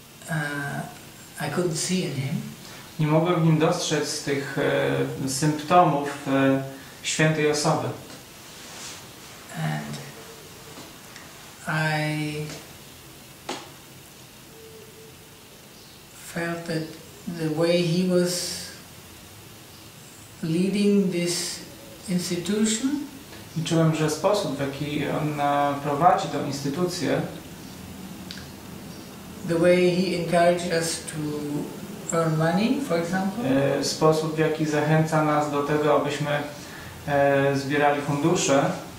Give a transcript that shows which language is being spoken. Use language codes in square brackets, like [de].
[en] I couldn't see in him. [pl] Nie mogłem w nim dostrzec tych symptomów świętej osoby. [en] And I felt that the way he was leading this institution. [pl] I czułem, że sposób, w jaki on prowadzi tę instytucję, [en] the way he encouraged us to earn money, for example, [pl] sposób, w jaki zachęca nas do tego, abyśmy zbierali fundusze,